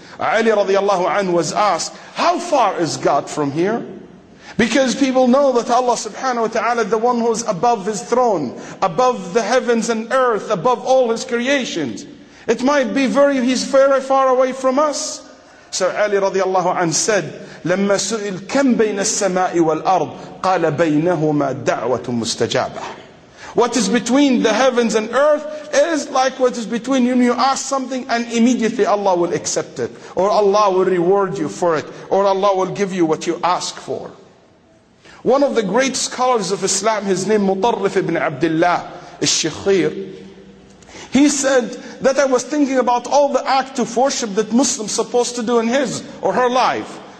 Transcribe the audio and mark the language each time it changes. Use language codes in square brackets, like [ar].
[en] Ali radiallahu anhu was asked, how far is God from here? Because people know that Allah subhanahu wa ta'ala, the one who is above His throne, above the heavens and earth, above all His creations, it might be He's very far away from us. So Ali radiallahu anhu said, [ar] لما سئل كم بين السماء والأرض قال بينهما دعوة مستجابة. [en] What is between the heavens and earth is like what is between you. You ask something and immediately Allah will accept it, or Allah will reward you for it, or Allah will give you what you ask for. One of the great scholars of Islam, his name Mutarrif ibn Abdullah al-Shikhir, he said that I was thinking about all the acts of worship that Muslims supposed to do in his or her life.